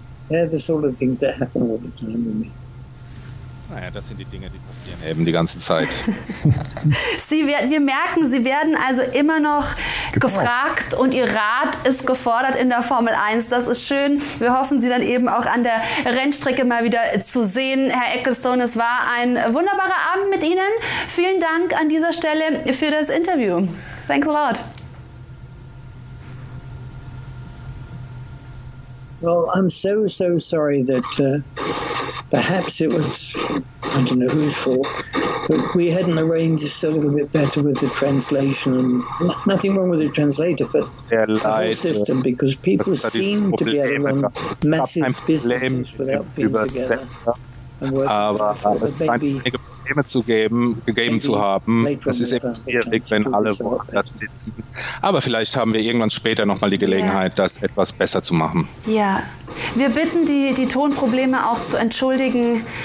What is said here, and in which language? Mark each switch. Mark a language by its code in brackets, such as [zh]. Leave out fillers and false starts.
[en] Yeah, the sort of things that happen all the time with me. [de] Naja, das sind die Dinge, die passieren eben die ganze Zeit. Wir merken, Sie werden also immer noch gefragt und Ihr Rat ist gefordert in der Formel 1. Das ist schön. Wir hoffen, Sie dann eben auch an der Rennstrecke mal wieder zu sehen. Herr Ecclestone, es war ein wunderbarer Abend mit Ihnen. Vielen Dank an dieser Stelle für das Interview. [en] Thanks a lot. Well, I'm so, so sorry that perhaps it was, I don't know whose fault, but we hadn't arranged this a little bit better with the translation. And nothing wrong with the translator, but the whole system, because people seem to be able to run massive businesses without being together. [de] Aber es scheint einige Probleme zu geben, gegeben zu haben. Es ist eben schwierig, wenn alle da sitzen. Aber vielleicht haben wir irgendwann später nochmal die Gelegenheit, das etwas besser zu machen. Ja, wir bitten die Tonprobleme auch zu entschuldigen.